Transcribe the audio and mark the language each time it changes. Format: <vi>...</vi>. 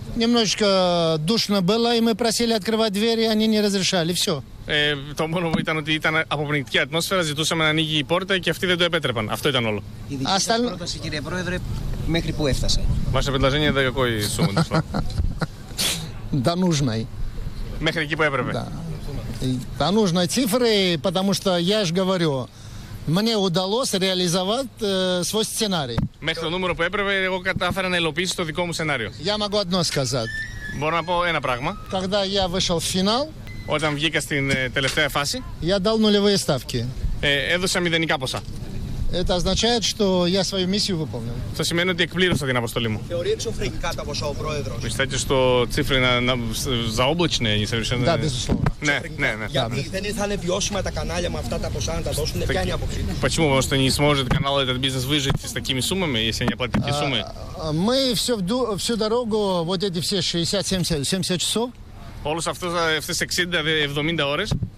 <ru>Немножечко душно было, и мы просили открывать двери, они не разрешали, все.</ru> <el>Το μόνο που ήταν ότι ήταν αποπνικτική ατμόσφαιρα, ζητούσαμε να ανοίγει η πόρτα και αυτοί δεν το επέτρεπαν. Αυτό ήταν όλο. Η δική σας πρόταση, κύριε Πρόεδρε, μέχρι που έφτασε.</el> <ru>Ваше предложение до какой суммы дошло? До нужной.</ru> <el>Μέχρι εκεί που έπρεπε.</el> <ru>До нужной цифры, потому что я же говорю, мне удалось реализовать свой сценарий.</ru> <el>Μέχρι το νούμερο που έπρεπε, εγώ κατάφερα να υλοποιήσω το δικό μου σενάριο.</el> <ru>Я могу одно сказать.</ru> <el>Μπορώ να πω ένα πράγμα.</el> <ru>Когда я вышел в финал,</ru> <el>όταν βγήκα στην τελευταία φάση,</el> <ru>я дал нулевые ставки.</ru> <el>Έδωσα μηδενικά ποσά.</el> <ru>Это означает, что я свою миссию выполнил.</ru> <el>Αυτό σημαίνει ότι εκπλήρωσα την αποστολή μου. Θεωρεί εξωφρενικά τα ποσά ο πρόεδρος. Πιστεύετε ότι</el> <ru>цифры на заоблачные, не совершенно... Да, безусловно.</ru> <el>Ναι. Γιατί δεν θα είναι βιώσιμα τα κανάλια με αυτά τα ποσά να τα δώσουν, δεν κάνει αποκλήτη.</el> <ru>Почему? Потому что не сможет канал этот бизнес выжить с такими суммами, если они оплатят такие суммы? Мы всю дорогу, вот эти все 60-70 часов,</ru> <el>όλους αυτούς, αυτές 60-70 ώρες.</el>